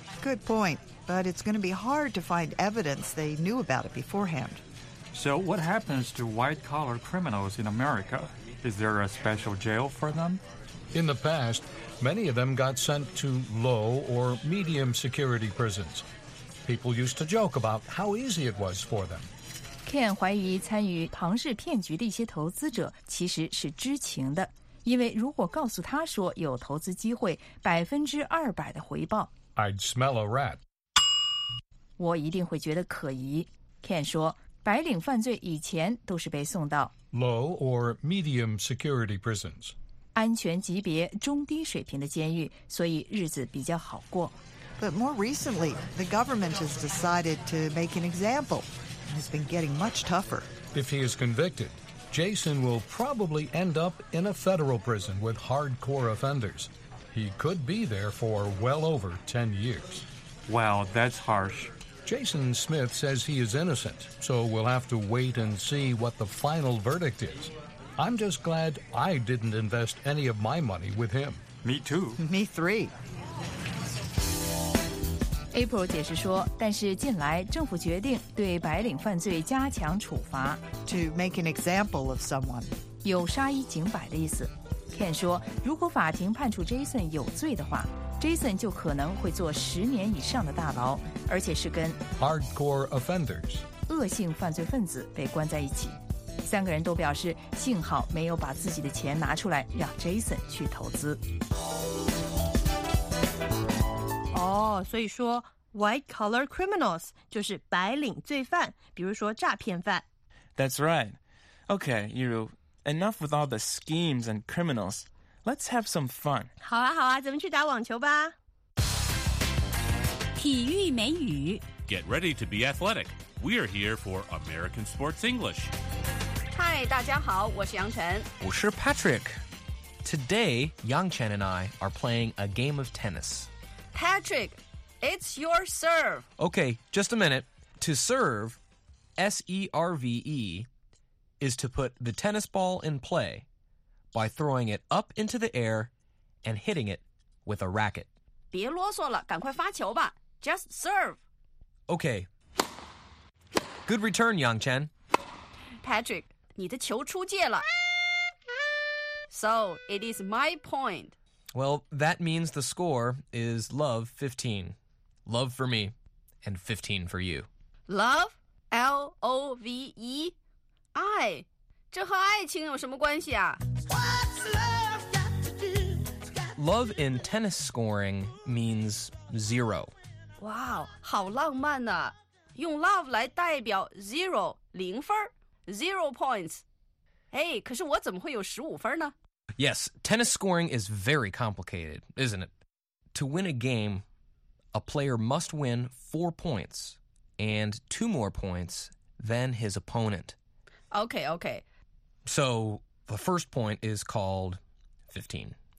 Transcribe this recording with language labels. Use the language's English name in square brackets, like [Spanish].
[English] Good point, but it's going to be hard to find evidence they knew about it beforehand. So what happens to white-collar criminals in America? Is there a special jail for them? In the past, many of them got sent to low or medium security prisons. People used to joke about how easy it was for them. [Chinese] Ken 怀疑参与庞氏骗局的一些投资者其实是知情的，因为如果告诉他说有投资机会，200%的回报 [English] ，I'd smell a rat. [Chinese] 我一定会觉得可疑。Ken 说。白领犯罪以前都是被送到 [English] low or medium security prisons， [Chinese] 安全级别中低水平的监狱，所以日子比较好过。 [English] But more recently, the government has decided to make an example and has been getting much tougher. If he is convicted, Jason will probably end up in a federal prison with hardcore offenders. He could be there for well over 10 years. Wow, that's harsh. Jason Smith says he is innocent, so we'll have to wait and see what the final verdict is. I'm just glad I didn't invest any of my money with him. Me too. Me three. [Chinese] April 解释说，但是近来政府决定对白领犯罪加强处罚。 [English] To make an example of someone. [Chinese] 有杀一儆百的意思。 Ken 说，如果法庭判处 Jason 有罪的话，Jason 就可能会坐十年以上的大牢，而且是跟 hardcore offenders 恶性犯罪分子被关在一起。三个人都表示，幸好没有把自己的钱拿出来让 Jason 去投资。哦，所以说 [English] white collar criminals [Chinese] 就是白领罪犯，比如说诈骗犯。 [English] That's right. Okay, Yiru, enough with all the schemes and criminals. Let's have some fun. [Chinese] 好啊好啊，咱们去打网球吧。体育美语。 [English] Get ready to be athletic. We are here for American Sports English. [Chinese] Hi, 大家好，我是杨晨。我是 Patrick. [English] Today, Yang Chen and I are playing a game of tennis. Patrick, it's your serve. Okay, just a minute. To serve, S-E-R-V-E, is to put the tennis ball in play. By throwing it up into the air and hitting it with a racket. [Chinese] 别啰嗦了，赶快发球吧。 [English] Just serve. Okay. Good return, Yang Chen. [Chinese] Patrick, 你的球出界了。 [English] So, it is my point. Well, that means the score is love 15. Love for me and 15 for you. Love? L-O-V-E? I? [Chinese] 这和爱情有什么关系啊？ [English] Love in tennis scoring means zero. [Chinese] Wow, 好浪漫呐、啊！用 love 来代表 zero 零分 [English] zero points. [Chinese] Hey, 可是我怎么会有十五分呢 [English] ？Yes, tennis scoring is very complicated, isn't it? To win a game, a player must win 4 points and 2 more points than his opponent. Okay, okay. So the first point is called 15.